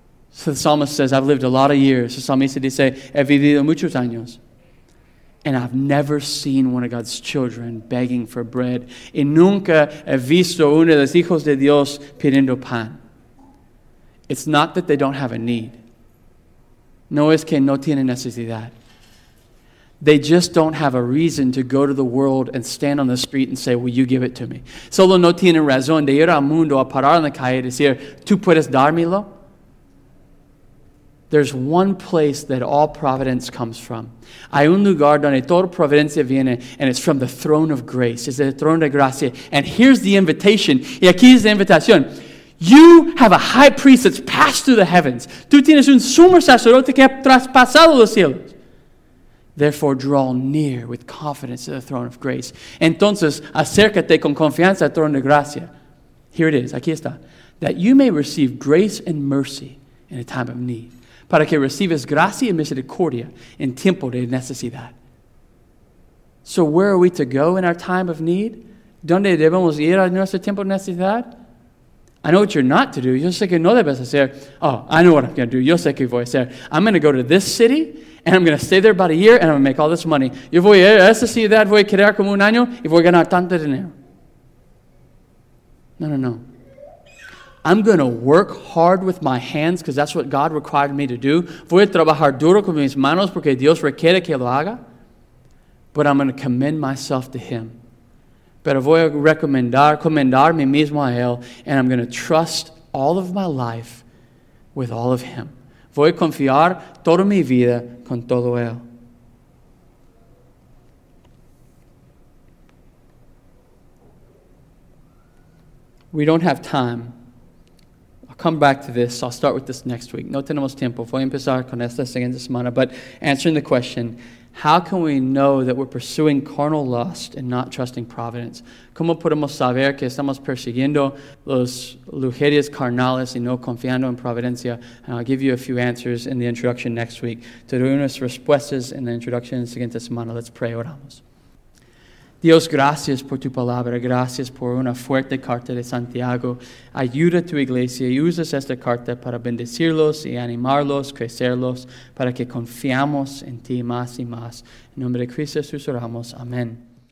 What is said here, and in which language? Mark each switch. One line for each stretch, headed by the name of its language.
English: So the psalmist says, I've lived a lot of years. The psalmist
Spanish: dice, he vivido muchos años.
English: And I've never seen one of God's children begging for bread.
Spanish: Y nunca he visto uno de los hijos de Dios pidiendo pan.
English: It's not that they don't have a need.
Spanish: No es que no tienen necesidad.
English: They just don't have a reason to go to the world and stand on the street and say, will you give it to me?
Spanish: Solo no tienen razón de ir al mundo a parar en la calle y decir, ¿tú puedes dármelo?
English: There's one place that all providence comes from.
Spanish: Hay un lugar donde toda providencia viene,
English: and it's from the throne of grace.
Spanish: Es el trono de gracia.
English: And here's the invitation.
Spanish: Y aquí es la invitación.
English: You have a high priest that's passed through the heavens.
Spanish: Tú tienes un sumo sacerdote que ha traspasado los cielos.
English: Therefore, draw near with confidence to the throne of grace.
Spanish: Entonces, acércate con confianza al trono de gracia.
English: Here it is.
Spanish: Aquí está.
English: That you may receive grace and mercy in a time of need.
Spanish: Para que recibas gracia y misericordia en tiempo de necesidad.
English: So where are we to go in our time of need?
Spanish: ¿Dónde debemos ir en nuestro tiempo de necesidad?
English: I know what you're not to do.
Spanish: Yo sé que no debes hacer.
English: Oh, I know what I'm going to do.
Spanish: Yo sé que voy a hacer.
English: I'm going to go to this city, and I'm going to stay there about a year, and I'm going to make all this money.
Spanish: Yo voy a esa ciudad, voy a quedar como un año, y voy a ganar tanto dinero.
English: No. I'm going to work hard with my hands because that's what God required me to do.
Spanish: Voy a trabajar duro con mis manos porque Dios requiere que lo haga.
English: But I'm going to commend myself to Him.
Spanish: Pero voy a recomendar mi mismo a Él.
English: And I'm going to trust all of my life with all of Him.
Spanish: Voy a confiar toda mi vida con todo Él.
English: We don't have time. Come back to this. I'll start with this next week.
Spanish: No tenemos tiempo. Voy a empezar con esta siguiente semana.
English: But answering the question, how can we know that we're pursuing carnal lust and not trusting providence?
Spanish: ¿Cómo podemos saber que estamos persiguiendo los lujurias carnales y no confiando en providencia?
English: And I'll give you a few answers in the introduction next week.
Spanish: Te doy unas respuestas en la introducción en la siguiente semana.
English: Let's pray.
Spanish: Oramos. Dios, gracias por tu palabra, gracias por una fuerte carta de Santiago. Ayuda a tu iglesia y usas esta carta para bendecirlos y animarlos, crecerlos, para que confiamos en ti más y más. En nombre de Cristo Jesús oramos. Amén.